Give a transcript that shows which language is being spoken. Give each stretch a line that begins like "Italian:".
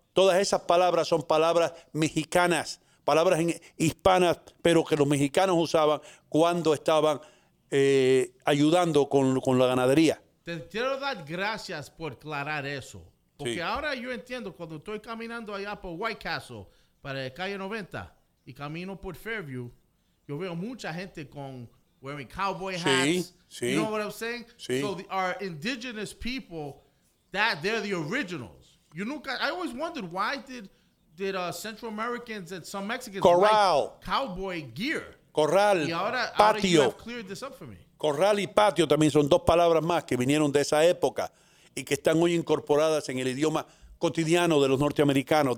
Spanish: Todas esas palabras son palabras mexicanas, palabras hispanas, pero que los mexicanos usaban cuando estaban ayudando con la ganadería. Te quiero dar gracias por aclarar eso. Porque sí, ahora yo entiendo, cuando estoy caminando allá por White Castle, para calle 90, y camino por Fairview, yo veo mucha gente con
English: wearing cowboy hats.
Spanish: Sí, sí.
English: You know what I'm saying?
Spanish: Sí.
English: So our indigenous people, that they're the originals. You
Spanish: nunca,
English: I always wondered why did Central Americans and some Mexicans
Spanish: Corral,
English: like cowboy gear?
Spanish: Corral, y ahora, patio. Ahora
English: you have cleared this up for me.
Spanish: Corral y patio también son dos palabras más que vinieron de esa época y que están hoy incorporadas en el idioma cotidiano de los norteamericanos.